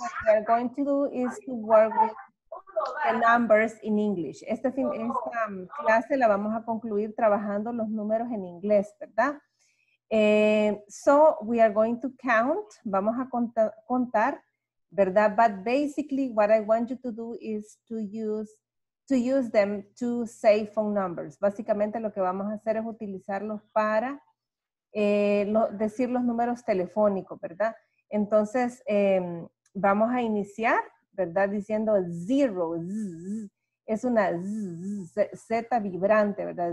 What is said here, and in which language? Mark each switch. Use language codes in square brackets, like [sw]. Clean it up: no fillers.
[en] What we are going to do is to work with the numbers in English. [es] Esta clase la vamos a concluir trabajando los números en inglés, ¿verdad? [en] So, we are going to count, [es] vamos a contar, ¿verdad? [en] But basically, what I want you to do is to use them to save phone numbers. [es] Básicamente, lo que vamos a hacer es utilizarlos para decir los números telefónicos, ¿verdad? Entonces, vamos a iniciar, ¿verdad? Diciendo zero, z, es una z vibrante, ¿verdad?